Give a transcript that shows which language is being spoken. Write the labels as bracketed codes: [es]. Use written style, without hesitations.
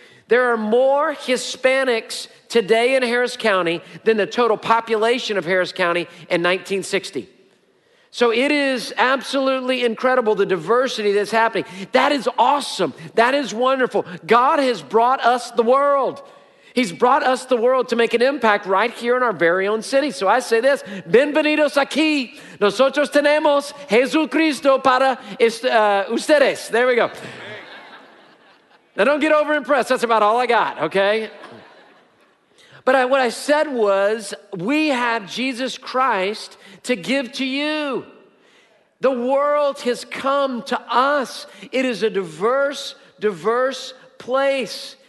[en] There are more Hispanics today in Harris County than the total population of Harris County in 1960. So it is absolutely incredible, the diversity that's happening. That is awesome. That is wonderful. God has brought us the world. He's brought us the world to make an impact right here in our very own city. So I say this, [es] bienvenidos aquí. Nosotros tenemos Jesucristo para ustedes. [en] There we go. Now don't get over impressed. That's about all I got, okay? But what I said was, we have Jesus Christ to give to you. The world has come to us. It is a diverse, diverse place.